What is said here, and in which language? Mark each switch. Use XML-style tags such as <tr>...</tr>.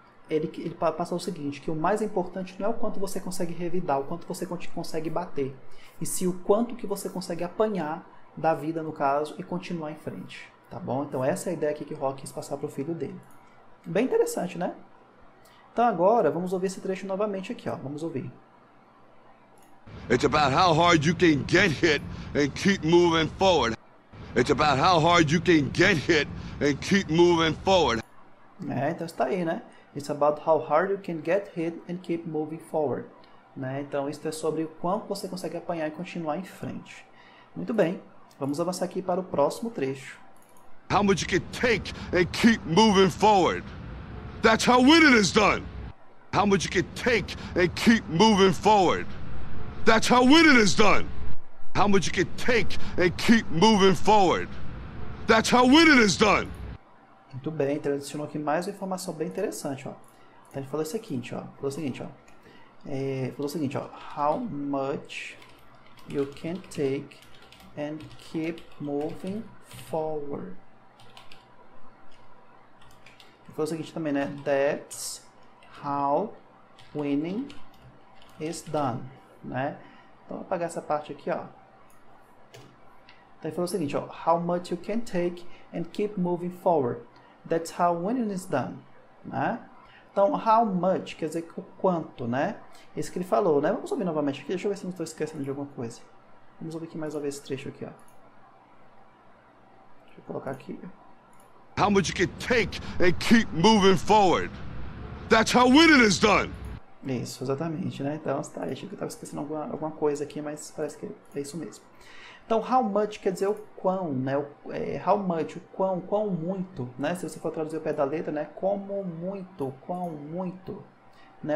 <pt>ele passa o seguinte, que o mais importante não é o quanto você consegue revidar, o quanto você consegue bater, e sim o quanto que você consegue apanhar da vida, no caso, e continuar em frente. Tá bom? Então essa é a ideia aqui que o Rock quis passar para o filho dele. Bem interessante, né? Então agora, vamos ouvir esse trecho novamente aqui, ó. Vamos ouvir.</pt> <en>It's about how hard you can get hit and keep moving forward. It's about how hard you can get hit and keep moving forward.</en> <pt>É, então está aí, né?</pt> <en>It's about how hard you can get hit and keep moving forward.</en> <pt>Né? Então isso é sobre o quanto você consegue apanhar e continuar em frente. Muito bem, vamos avançar aqui para o próximo trecho.</pt> <en>How much you can take and keep moving forward. That's how winning is done. How much you can take and keep moving forward. That's how winning is done. How much you can take and keep moving forward. That's how winning is done.</en> <pt>Muito bem, então ele adicionou aqui mais uma informação bem interessante, ó. Então ele falou o seguinte, ó.</pt> <en>How much you can take and keep moving forward.</en> <pt>Ele falou o seguinte também, né?</pt> <en>That's how winning is done,</en> <pt>né? Então vou apagar essa parte aqui, ó. Então ele falou o seguinte, ó.</pt> <en>How much you can take and keep moving forward. That's how winning is done,</en> <pt>né? Então, how much quer dizer o quanto, né? Isso que ele falou, né? Vamos ouvir novamente aqui. Deixa eu ver se não estou esquecendo de alguma coisa. Vamos ouvir aqui mais uma vez esse trecho aqui, ó. Deixa eu colocar aqui.</pt> <en>How much you can take and keep moving forward. That's how winning is done.</en> <pt>Isso, exatamente, né? Então, tá, achei que eu estava esquecendo alguma coisa aqui, mas parece que é isso mesmo. Então, how much quer dizer o quão, né? How much, o quão muito, né? Se você for traduzir o pé da letra, né? Como muito, quão muito, né?</pt>